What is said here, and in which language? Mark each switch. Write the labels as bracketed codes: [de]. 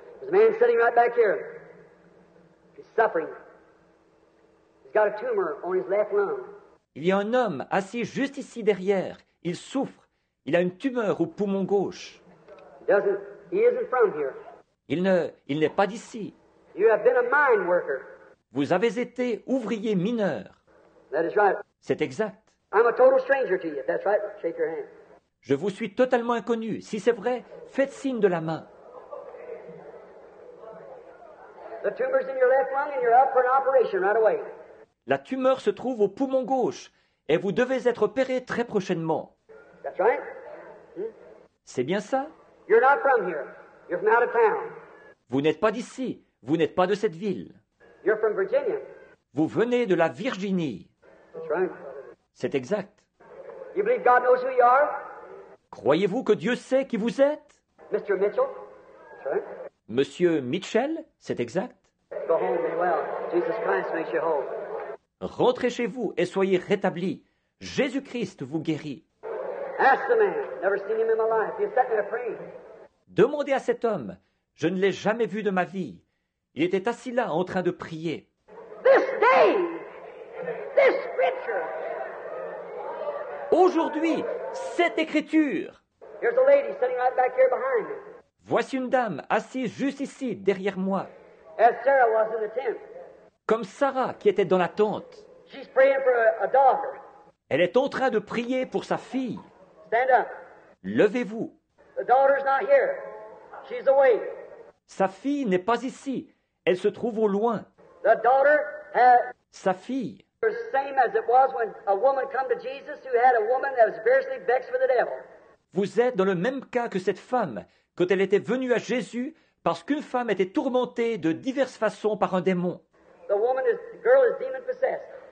[en] Man sitting right back here. He's suffering. He's got a tumor on his left lung. [fr] Il y a un homme assis juste ici derrière. Il souffre. Il a une tumeur au poumon gauche. [en] He isn't from here. [fr] Il n'est pas d'ici. [en] You have been a mine worker. [fr] Vous avez été ouvrier mineur. [en] That is right. [fr] C'est exact. [en] I'm a total stranger to you. That's right. Shake your hand. [fr] Je vous suis totalement inconnu. Si c'est vrai, faites signe de la main. [en] The tumor's in your left lung and you're up for an operation right away. [fr] La tumeur se trouve au poumon gauche et vous devez être opéré très prochainement. [en] That's right. [fr] C'est bien ça? [en] You're not from here. You're from out of town. [fr] Vous n'êtes pas d'ici. Vous n'êtes pas de cette ville. [en] You're from Virginia. [fr] Vous venez de la Virginie. [en] That's right. [fr] C'est exact. [en] You believe God knows who you are? [fr] Croyez-vous que Dieu sait qui vous êtes? [en] Mr. Mitchell. [fr] Monsieur Mitchell, c'est exact. [en] Go home, be well. Jesus Christ makes you whole. [fr] Rentrez chez vous et soyez rétabli. Jésus-Christ vous guérit. [en] Ask the man. Never seen him in my life. He set me free. [fr] Demandez à cet homme. Je ne l'ai jamais vu de ma vie. Il était assis là en train de prier. [en] This day, this scripture. [fr] Aujourd'hui, cette écriture. [en] Here's a lady sitting right back here behind me. [fr] Voici une dame assise juste ici, derrière moi. [en] As Sarah was in the tent. [fr] Comme Sarah qui était dans la tente. [en] She's praying for a daughter. [fr] Elle est en train de prier pour sa fille. [en] Stand up. [fr] Levez-vous. [en] The daughter's not here. She's away. [fr] Sa fille n'est pas ici. Elle se trouve au loin. [en] The daughter has... [fr] Sa fille. [en] Same as it was when a woman came to Jesus who had a woman that was fiercely vexed with the devil. [fr] Vous êtes dans le même cas que cette femme quand elle était venue à Jésus parce qu'une femme était tourmentée de diverses façons par un démon. [en] The girl is demon possessed.